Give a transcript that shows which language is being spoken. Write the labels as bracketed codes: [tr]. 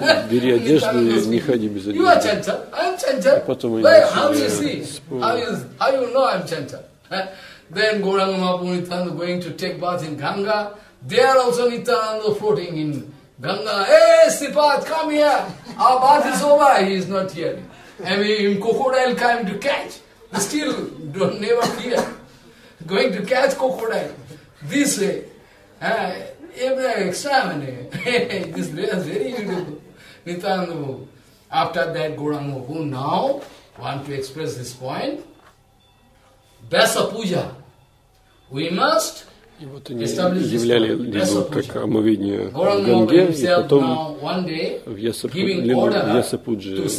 [ru] Бери одежду и не ходи без одежды. [en] You are Chanchan, I'm Chanchan. [ru] А потом они начали спорить. [en] How you know I'm Chanchan? Then Gauranga Mahaprabhu Nitananda going to take bath in Ganga. There also Nitananda floating in Ganga. Hey, Sipat, come here. Our bath is over. He is not here. I mean, crocodile came to catch, still don't, never fear, going to catch crocodile. This way, every examine, this way is very beautiful. Nitananda Babu. After that, Gauranga Babu now want to express this point. Vyasa Puja, we must... [ru] И вот они являли лилу, как омовение в Ганге, и потом в Ясапуджи.